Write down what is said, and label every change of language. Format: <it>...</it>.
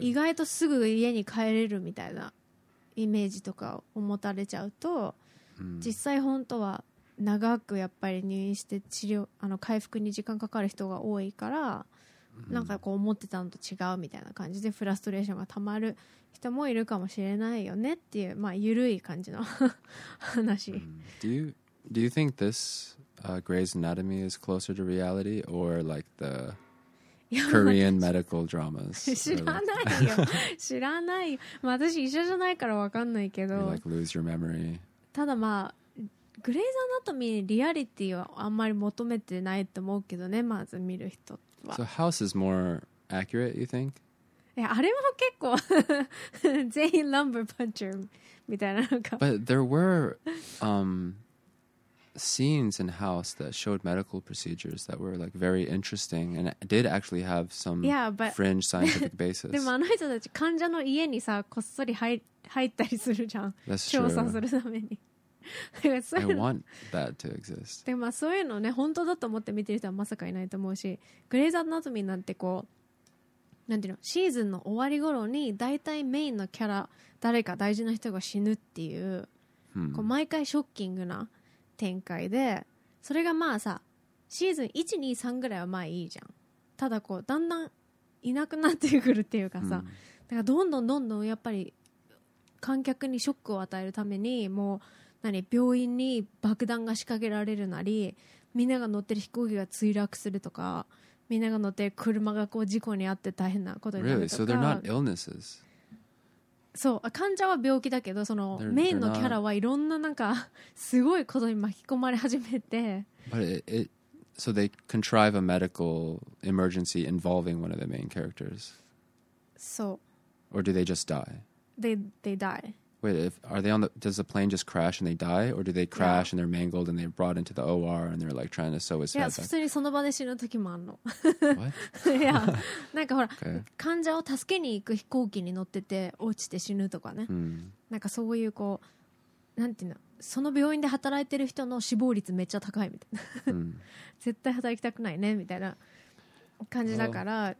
<ja>意外とすぐ家に帰れるみたいなイメージとかを持たれちゃうと、実際本当は、長くやっぱり入院して治療あの回復に時間かかる人が多いから、なんかこう思ってたのと違うみたいな感じでフラストレーションがたまる人もいるかもしれないよねっていうまあ緩い感じの話。</ja> <en>Do you think this Grey's Anatomy is closer to reality or like the Korean medical dramas?</en> <ja>知らないよ。知らないよ。まあ私医者じゃないからわかんないけど。</ja> <en>You like lose your memory.</en> <ja>ただまあ。グレイズアナトミーにリアリティはあんまり求めてないと思うけどねまず見る人は</ja> <en>So House is more accurate, you think?</en> <ja>いやあれも結構全員ランバーパンチャーみたいなのか</ja> <en>But there were scenes in House that showed medical procedures that were like very interesting and did actually have some fringe scientific basis</en> <ja>でもあの人たち患者の家にさこっそり 入ったりするじゃん</ja> <en>That's</en> <ja>調査するために</ja> <en>I want that to exist.</en> <ja>でもそういうのね本当だと思って見てる人はまさかいないと思うし、グレイズアナトミーなんてこうなんていうのシーズンの終わり頃にだいたいメインのキャラ誰か大事な人が死ぬっていう、こう毎回ショッキングな展開で、それがまあさシーズン 1,2,3 ぐらいはまあいいじゃん。ただこうだんだんいなくなってくるっていうかさ、だからどんどんやっぱり観客にショックを与えるためにもう何病院に爆弾が仕掛けられるなりみんなが乗ってる飛行機が墜落するとかみんなが乗ってる車がこう事故にあって大変なことになるとか</ja> <en>Really? So they're not illnesses?</en> <ja>そう患者は病気だけどそのメインのキャラはいろんななんかすごいことに巻き込まれ始めて</ja> <en>But so they contrive a medical emergency involving one of the main characters?</en> <ja>そう</ja> <en>Or do they just die? They die Wait, does the plane just crash and they die? Or do they crash and they're mangled and they're brought into the OR and they're like trying to sew his head back?</en> <ja>いや、普通にその場で死ぬ時もあんの。</ja> <en>What?</en> <ja>いや、なんかほら、患者を助けに行く飛行機に乗ってて落ちて死ぬとかね。なんかそういうこう、なんていうの、その病院で働いてる人の死亡率めっちゃ高いみたいな。絶対働きたくないねみたいな感じだから。</ja>